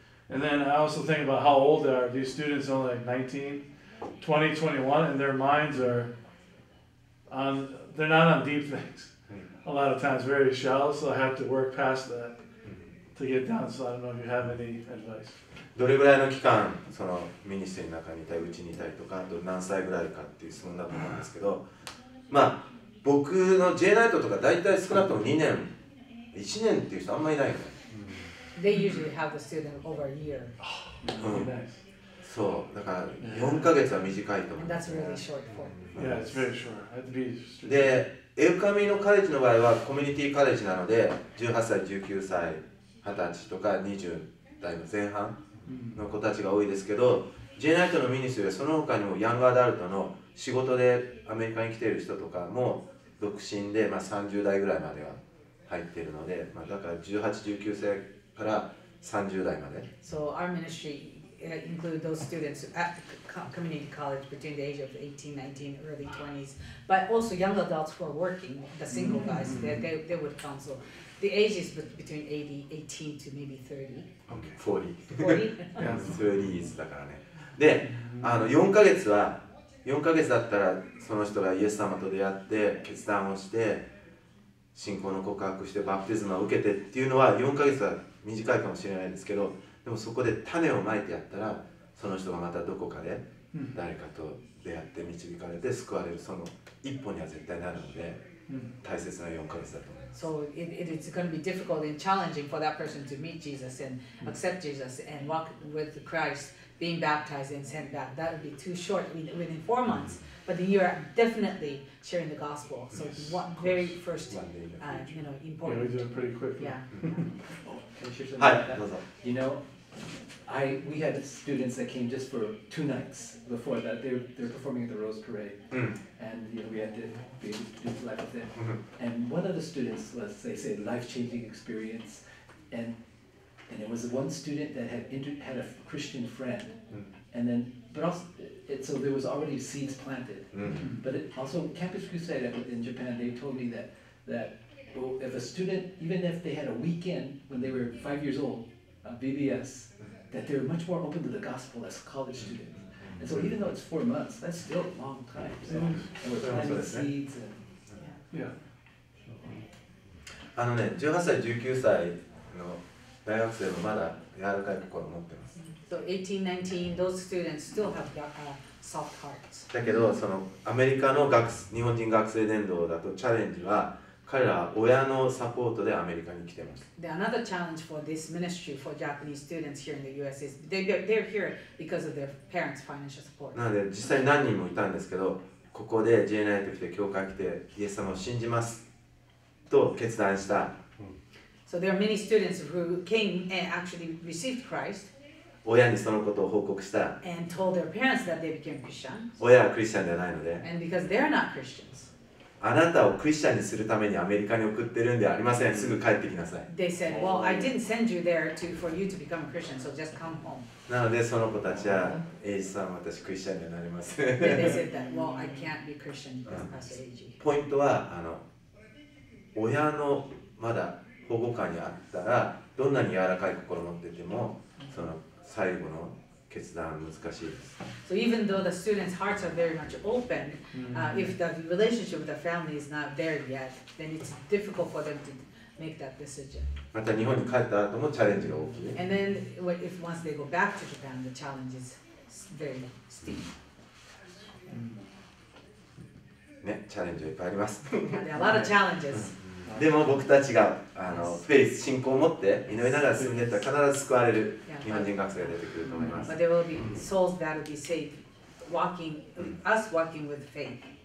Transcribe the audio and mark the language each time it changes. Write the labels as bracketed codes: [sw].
[en] And then I also think about how old they are. These students are only like 19, 20, 21, and their minds are on, they're not on deep things. A lot of times very shallow, so I have to work past that. To get down, so I don't know if you have any advice. [ja] どれぐらいの期間、そのミニステリーの中にいたり、うちにいたりとか、あと何歳ぐらいかっていう質問だと思うんですけど、まあ、僕の J ナイトとか大体少なくとも2年、1年っていう人あんまりいないよね。 [en] They usually have the student over a year. [ja] そう、だから4ヶ月は短いと思う。 [en] And that's really short for. Yeah, it's very short. I have to be strict. [ja] で、エウカミのカレッジの場合はコミュニティカレッジなので、18歳、19歳、20歳とか20代の前半の子たちが多いですけど、J ナイトのミニスやその他にもヤングアダルトの仕事でアメリカに来ている人とかも独身で、まあ、30代ぐらいまでは入っているので、まあ、だから18、19歳から30代まで。 [en] So our ministry includes those students at community college between the age of 18, 19, early 20s, but also young adults who are working, the single guys, they would counsel. The age is between 18 to maybe 30. Okay, 40. 40? Yeah, 30s [ja] だからね。で、あの4ヶ月は、4ヶ月だったらその人がイエス様と出会って、決断をして、信仰の告白して、バプティズムを受けてっていうのは、4ヶ月は短いかもしれないですけど、でもそこで種をまいてやったら、その人がまたどこかで誰かと出会って、導かれて、救われる、その一歩には絶対なるので、大切な4ヶ月だと。 [en] So it's going to be difficult and challenging for that person to meet Jesus and accept Jesus and walk with Christ, being baptized and sent back. That would be too short within 4 months. But you are definitely sharing the gospel. So one very first, you know, important. Yeah, we do it pretty quickly. Yeah. Hi. You know, we had students that came just for two nights before that. They're performing at the Rose Parade. And you know, we had to be able to do the life with them. And one of the students was, they say, life-changing experience. And it was one student that had a Christian friend. And then, but also, so there was already seeds planted. But it also, Campus Crusade in Japan, they told me that that if a student, even if they had a weekend when they were 5 years old, a BBS, that they're much more open to the gospel as a college student. And so even though it's 4 months, that's still a long time. So, and we're planting seeds and... Yeah. Yeah. [ja] あのね、18歳、19歳の大学生もまだ柔らかい心を持ってます。 [en] So 18, 19, those students still have soft hearts. [ja] だけど、そのアメリカの学日本人学生伝道だとチャレンジは、彼らは親のサポートでアメリカに来てます。 [en] The another challenge for this ministry for Japanese students here in the US is they're here because of their parents' financial support. [ja] なので、実際何人もいたんですけど、ここで JNA と来て、教会来て、イエス様を信じます。と決断した。 [en] So there are many students who came and actually received Christ. [ja] 親にそのことを報告した。 [en] And told their parents that they became Christian. [ja] 親はクリスチャンではないので。 [en] And because they are not Christians. [ja] あなたをクリスチャンにするためにアメリカに送ってるんではありません。すぐ帰ってきなさい。 [en] They said, well, I didn't send you there to for you to become a Christian, so just come home. [ja] なのでその子たちは、エイジさん、私クリスチャンになれません。 [en] They said that, well, I can't be Christian because of Pastor Eiji. [ja] ポイントは、親のまだ保護下にあったらどんなに柔らかい心を持っててもその最後の決断は難しいです。 [en] So even though the students' hearts are very much open,、if the relationship with the family is not there yet, then it's difficult for them to make that decision. [ja] また日本に帰った後もチャレンジが大きい。 [en] And then if once they go back to Japan, the challenge is very steep. [ja] ね、チャレンジはいっぱいあります。 [en] There are a lot of challenges. [ja] でも僕たちがフェイス、信仰を持って祈りながら進んでいったら必ず救われる日本人学生が出てくると思います。 [en] But there will be souls that will be saved, walking, us walking with faith.